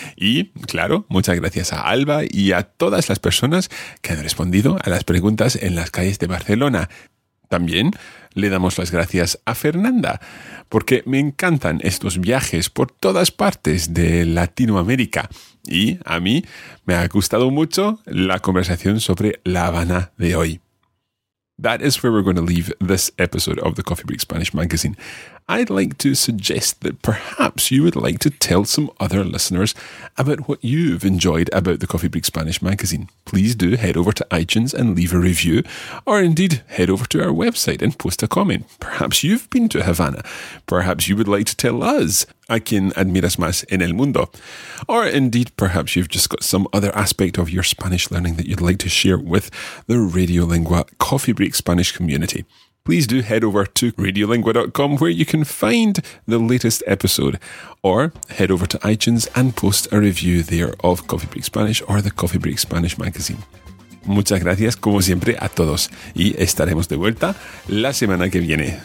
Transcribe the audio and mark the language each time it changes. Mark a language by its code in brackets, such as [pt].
[es] Y, claro, muchas gracias a Alba y a todas las personas que han respondido a las preguntas en las calles de Barcelona. También le damos las gracias a Fernanda, porque me encantan estos viajes por todas partes de Latinoamérica. Y a mí me ha gustado mucho la conversación sobre La Habana de hoy. [en] That is where we're going to leave this episode of the Coffee Break Spanish Magazine. I'd like to suggest that perhaps you would like to tell some other listeners about what you've enjoyed about the Coffee Break Spanish Magazine. Please do head over to iTunes and leave a review, or indeed head over to our website and post a comment. Perhaps you've been to Havana. Perhaps you would like to tell us [es] a quien admiras más en el mundo. [en] Or indeed, perhaps you've just got some other aspect of your Spanish learning that you'd like to share with the Radiolingua Coffee Break Spanish community. Please do head over to radiolingua.com where you can find the latest episode, or head over to iTunes and post a review there of Coffee Break Spanish or the Coffee Break Spanish magazine. [es] Muchas gracias, como siempre, a todos. Y estaremos de vuelta la semana que viene.